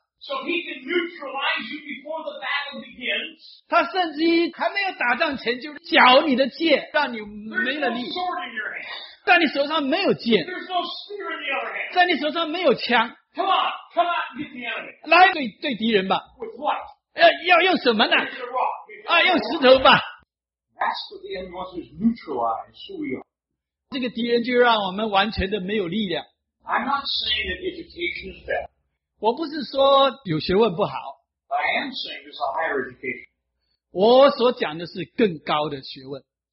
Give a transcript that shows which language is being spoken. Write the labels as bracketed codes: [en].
[en] So he can neutralize you before the battle begins. [zh] 他甚至于还没有打仗前就缴你的剑，让你没了力。 [en] There's no sword in your hand. [zh] 在你手上没有剑。 [en] There's no spear in the other hand. [zh] 在你手上没有枪。 [en] Come on, come out and get the enemy. [zh] 来对敌人吧。 [en] With what? [zh] 要用什么呢？ [en] Use a rock. [zh] 啊，用石头吧。 [en] That's what the enemy wants is neutralized, so we are. [zh] 这个敌人就让我们完全的没有力量。 [en] I'm not saying that education is bad. [zh] 我不是说有学问不好。 [en] I am saying it's a higher education. [zh] 我所讲的是更高的学问。